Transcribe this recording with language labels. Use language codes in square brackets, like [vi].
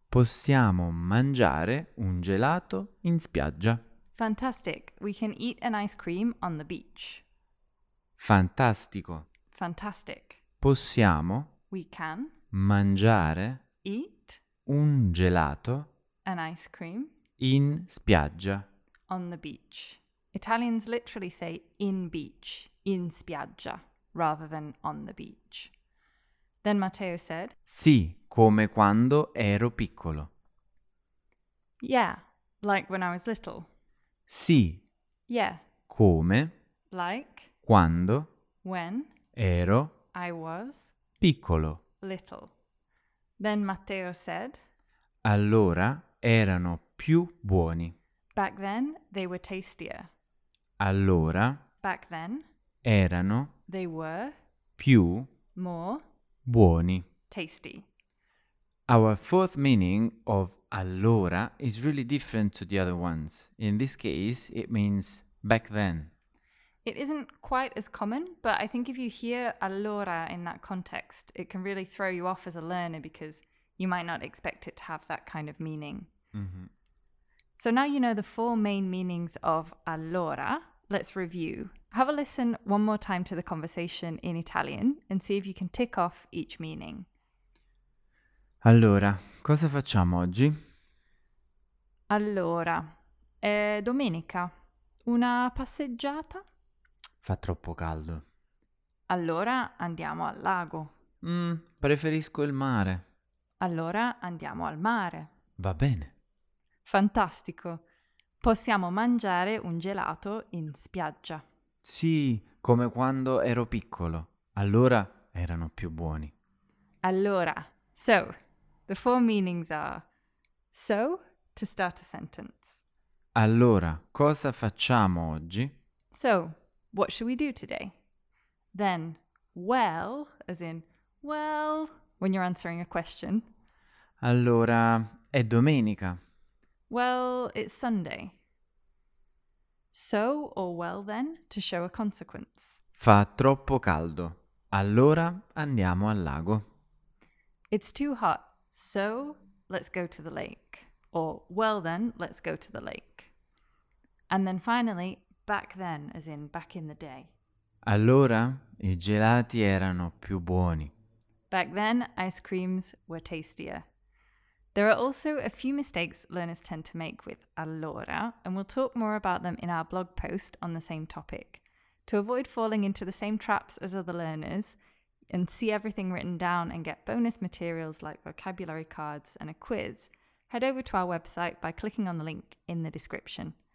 [it] Possiamo mangiare un gelato in spiaggia. [en] Fantastic. We can eat an ice cream on the beach. [it] Fantastico. [en] Fantastic. [it] Possiamo. [en] We can. [it] Mangiare. [en] Eat. [it] Un gelato. [en] An ice cream. [it] In spiaggia. [en] On the beach. Italians literally say in beach, [it] in spiaggia, [en] rather than on the beach. Then Matteo said, [it] Sì, come quando ero piccolo. [en] Yeah, like when I was little. [it] Sì. [en] Yeah. [it] Come. [en] Like. [it] Quando. [en] When. [it] Ero. [en] I was. [it] Piccolo. [en] Little. Then Matteo said, [it] Allora erano più buoni. [en] Back then they were tastier. [it] Allora. [en] Back then. [it] Erano. [en] They were. [it] Più. [en] More. [it] Buoni. [en] Tasty. Our fourth meaning of allora is really different to the other ones. In this case, it means back then. It isn't quite as common, but I think if you hear allora in that context, it can really throw you off as a learner because you might not expect it to have that kind of meaning. Mm-hmm. So now you know the four main meanings of allora. Let's review. Have a listen one more time to the conversation in Italian and see if you can tick off each meaning. [it] Allora, cosa facciamo oggi? Allora, è domenica. Una passeggiata? Fa troppo caldo. Allora andiamo al lago. Preferisco il mare. Allora andiamo al mare. Va bene. Fantastico. Possiamo mangiare un gelato in spiaggia. Sì, come quando ero piccolo. Allora erano più buoni. [en] Allora, so, the four meanings are so, to start a sentence. [it] Allora, cosa facciamo oggi? [en] So, what should we do today? Then, well, as in, well, when you're answering a question. [it] Allora, è domenica. [en] Well, it's Sunday. So or well then, to show a consequence. [it] Fa troppo caldo. Allora andiamo al lago. [en] It's too hot. So, let's go to the lake. Or, well then, let's go to the lake. And then finally, back then, as in back in the day. [it] Allora, i gelati erano più buoni. [en] Back then, ice creams were tastier. There are also a few mistakes learners tend to make with allora, and we'll talk more about them in our blog post on the same topic. To avoid falling into the same traps as other learners, and see everything written down and get bonus materials like vocabulary cards and a quiz, head over to our website by clicking on the link in the description.